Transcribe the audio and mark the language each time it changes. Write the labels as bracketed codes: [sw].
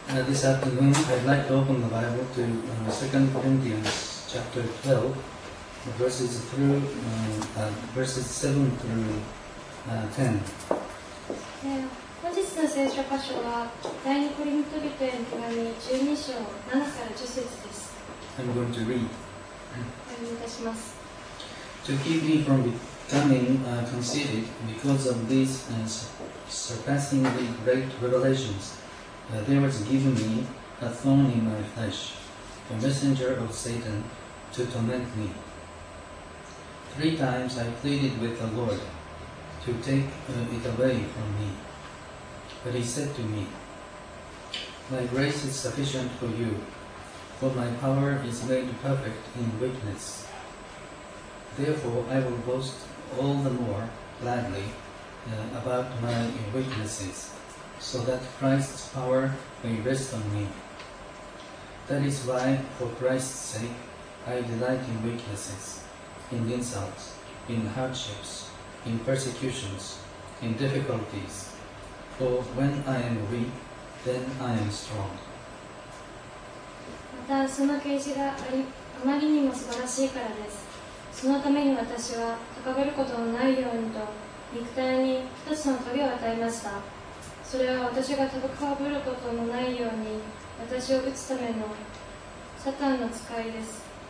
[en] This afternoon, I'd like to open the Bible to 2 Corinthians chapter 12, verses through verses 7 through 10. [ja] 本日の聖書箇所は第2コリント人への手紙12章7から10節です。 [en] I'm going to read. [ja] 読みいたします。 [en] To keep me from becoming conceited because of these surpassingly great revelations. There was given me a thorn in my flesh, a messenger of Satan, to torment me. Three times I pleaded with the Lord to take it away from me. But he said to me, My grace is sufficient for you, for my power is made perfect in weakness. Therefore I will boast all the more gladly about my weaknesses. So that Christ's power may rest on me. That is why, for Christ's sake, I delight in weaknesses, in insults, in hardships, in persecutions, in difficulties. For when I am weak, then I am strong. [ja] また、その啓示が あまりにも素晴らしいからです。そのために私は、高ぶることのないようにと、肉体に一つの棘を与えました。それは私が戦うことのないように私を打つためのサタンの使いです。